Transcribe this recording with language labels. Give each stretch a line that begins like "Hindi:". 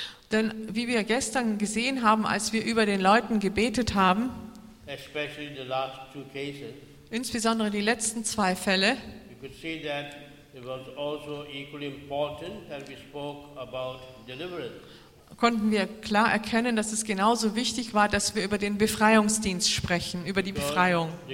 German: Denn wie wir gestern gesehen haben, als wir über den Leuten gebetet haben,
English: especially in the last two cases,
German: insbesondere die letzten zwei Fälle,
English: you could see that it was also equally important that we spoke about deliverance.
German: Konnten wir klar erkennen, dass es genauso wichtig war, dass wir über den Befreiungsdienst sprechen, über die Befreiung.